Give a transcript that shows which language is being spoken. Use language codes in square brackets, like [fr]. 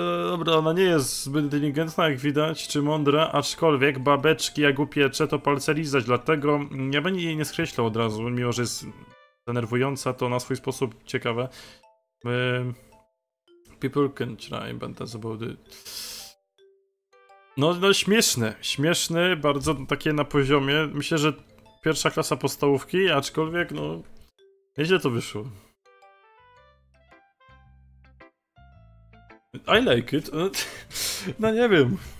[pl] dobra, ona nie jest zbyt inteligentna, jak widać, czy mądra, aczkolwiek babeczki jak upiecze to palce lizać, dlatego ja bym jej nie skreślał od razu, mimo że jest denerwująca, to na swój sposób ciekawe. [en] People can try, but that's about it. [pl] No śmieszne, śmieszne, bardzo takie na poziomie, myślę, że pierwsza klasa podstawówki, aczkolwiek no, nieźle to wyszło. [en] I like it. [pl] No nie wiem.